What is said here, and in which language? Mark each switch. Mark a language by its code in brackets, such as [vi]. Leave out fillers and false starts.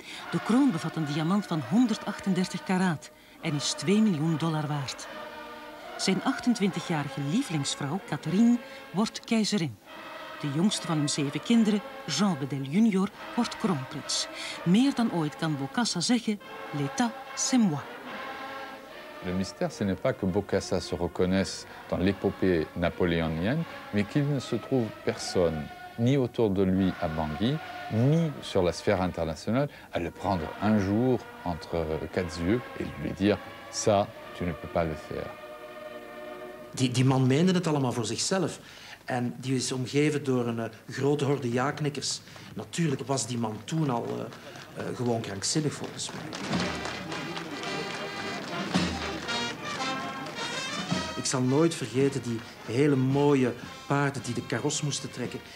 [nl] De kroon bevat een diamant van 138 karaat en is 2 miljoen dollar waard. Zijn 28-jarige lievelingsvrouw, Catherine, wordt keizerin. De jongste van hun 7 kinderen, Jean Bedel junior, wordt kroonprins. Meer dan ooit kan Bokassa zeggen, [fr] l'état, c'est moi. Le mystère, ce n'est pas que Bokassa se reconnaisse dans l'épopée napoléonienne, mais qu'il ne se trouve personne, ni autour de lui à Bangui, ni sur la sphère internationale, à le prendre un jour entre quatre yeux et lui dire « ça, tu ne peux pas le faire ». [nl] Die man meende het allemaal voor zichzelf. En die is omgeven door een grote horde ja-knikkers. Natuurlijk was die man toen al gewoon krankzinnig volgens mij. Ik zal nooit vergeten die hele mooie paarden die de karos moesten trekken.